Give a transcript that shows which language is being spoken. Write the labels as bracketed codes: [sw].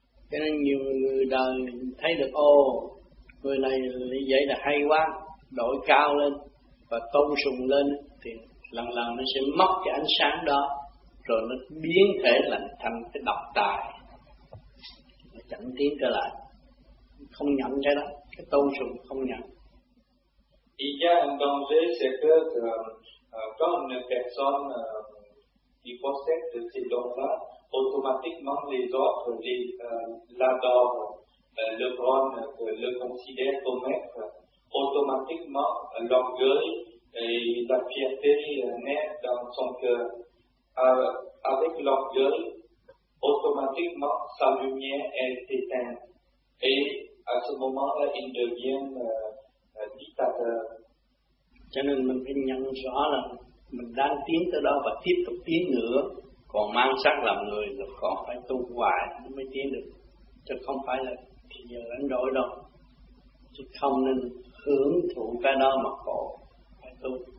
[vi] Cho nên nhiều người đời thấy được, người này vậy là hay quá, đổi cao lên và tôn sùng lên, thì lần lần nó sẽ mất cái ánh sáng đó, rồi nó biến thể lành thành cái độc tài, nó chẳng tiến trở lại, không nhận cái đó, cái tôn sùng không nhận. [fr] Il y a un danger, c'est que quand une personne qui possède ces dons-là, automatiquement les autres l'adorent, le prennent, le considèrent comme maître, automatiquement l'orgueil et la fierté naissent dans son cœur. Avec l'orgueil, automatiquement sa lumière est éteinte et à ce moment-là, il devient dictateur. [vi] Cho nên mình phải nhận rõ là mình đang tiến tới đâu và tiếp tục tiến nữa, còn mang sắc làm người là còn phải tu hoài mới tiến được, chứ không phải là thì giờ đánh đổi đâu, chứ không nên hưởng thụ cái đó mà khổ, phải tu.